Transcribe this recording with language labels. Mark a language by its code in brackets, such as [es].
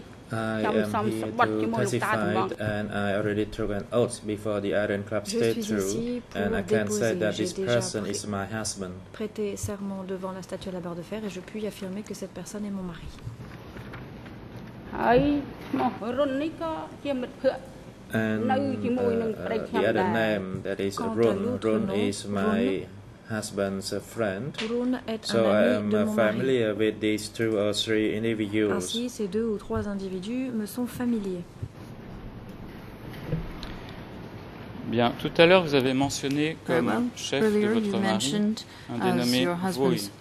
[en] I am testified and I already took an oath before the Iron Club statue, and I can say that this person is my husband. [fr] Prêté serment devant la statue à la barre de fer, et je puis affirmer que cette personne est mon mari. [en] The other name, that is Run is my husband's friend. So I am familiar with these two or three individuals. [fr] Ainsi, ces deux ou trois individus me sont familiers. Bien, tout à l'heure, vous avez mentionné comme chef de votre mari un dénommé Voi.